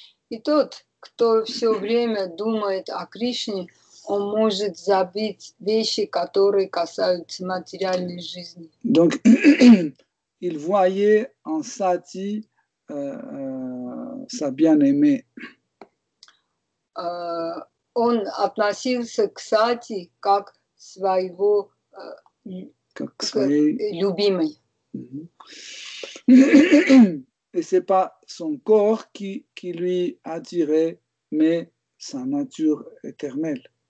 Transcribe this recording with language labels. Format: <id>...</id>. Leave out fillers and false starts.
<fr>Et</fr> <ru>тот, кто все время думает о Кришне, он может забыть вещи, которые касаются материальной жизни.</ru> <fr>Donc, il voyait en Sati sa bien-aimée.</fr> <ru>Он относился к Сати как своего как своей... любимой.</ru> <fr>Et c'est pas son corps qui lui attirait, mais sa nature éternelle.</fr>